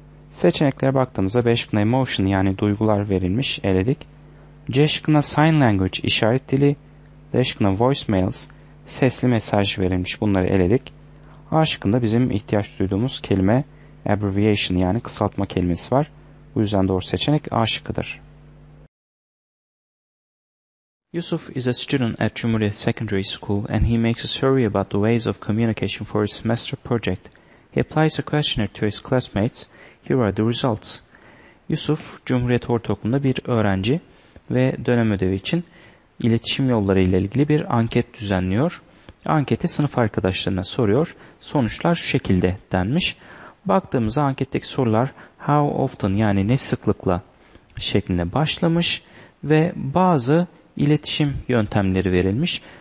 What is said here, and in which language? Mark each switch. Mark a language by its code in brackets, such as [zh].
[tr] Seçeneklere baktığımızda B şıkkına emotion yani duygular verilmiş eledik. C şıkkına sign language işaret dili. D şıkkına voicemails sesli mesaj verilmiş bunları eledik. A şıkkında bizim ihtiyaç duyduğumuz kelime abbreviation yani kısaltma kelimesi var. Bu yüzden doğru seçenek A şıkkıdır. [en] Yusuf is a student at Cumhuriyet Secondary School and he makes a survey about the ways of communication for his semester project. He applies a questionnaire to his classmates. Here are the results. [tr] Yusuf, Cumhuriyet Ortaokulu'nda bir öğrenci ve dönem ödevi için iletişim yolları ile ilgili bir anket düzenliyor. Anketi sınıf arkadaşlarına soruyor. Sonuçlar şu şekilde denmiş. Baktığımızda anketteki sorular [en] how often [tr] yani ne sıklıkla şeklinde başlamış ve bazı iletişim yöntemleri verilmiş.